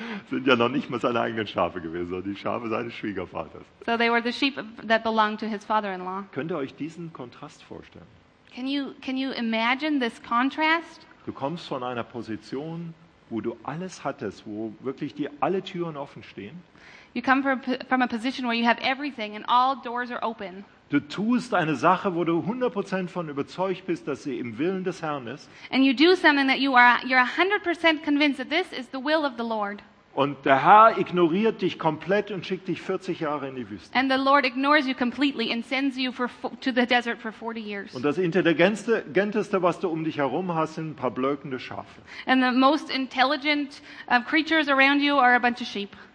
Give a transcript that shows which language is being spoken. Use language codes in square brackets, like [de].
[de] Sind ja noch nicht mal seine eigenen Schafe gewesen, sondern die Schafe seines Schwiegervaters. [en] So they were the sheep that belonged to his father-in-law. [de] Könnt ihr euch diesen Kontrast vorstellen? [en] Can you imagine this contrast? [de] Du kommst von einer Position, wo du alles hattest, wo wirklich dir alle Türen offen stehen. [en] You come from a position where you have everything and all doors are open. [de] Du tust eine Sache, wo du 100% von überzeugt bist, dass sie im Willen des Herrn ist. [en] And you do something that you're 100% convinced that this is the will of the Lord. [de] Und der Herr ignoriert dich komplett und schickt dich 40 Jahre in die Wüste. [en] And the Lord ignores you completely and sends you to the desert for 40 years. [de] Und das intelligenteste, was du um dich herum hast, sind ein paar blökende Schafe. [en] And the most intelligent creatures around you are a bunch of sheep.